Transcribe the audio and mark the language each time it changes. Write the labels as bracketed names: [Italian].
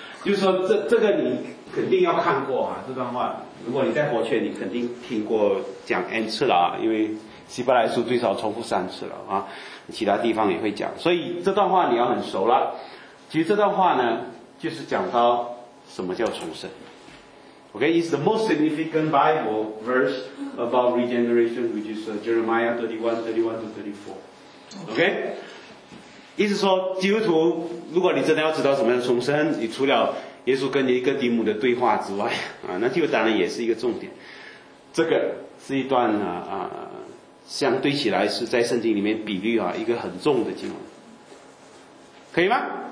[Chinese] 就是说这个你肯定要看过啊，这段话，如果你在活圈，你肯定听过讲 N 次了啊，因为希伯来书最少重复三次了啊，其他地方也会讲，所以这段话你要很熟了。其实这段话呢，就是讲到什么叫重生。 [English] Okay, it's the most significant Bible verse about regeneration, which is Jeremiah 31:31-34. Okay? [Chinese] 意思说基督徒如果你真的要知道什么样的重生，你除了耶稣跟尼哥底母的对话之外啊，那就当然也是一个重点。这个是一段相对起来是在圣经里面比喻啊一个很重的经文。可以吗？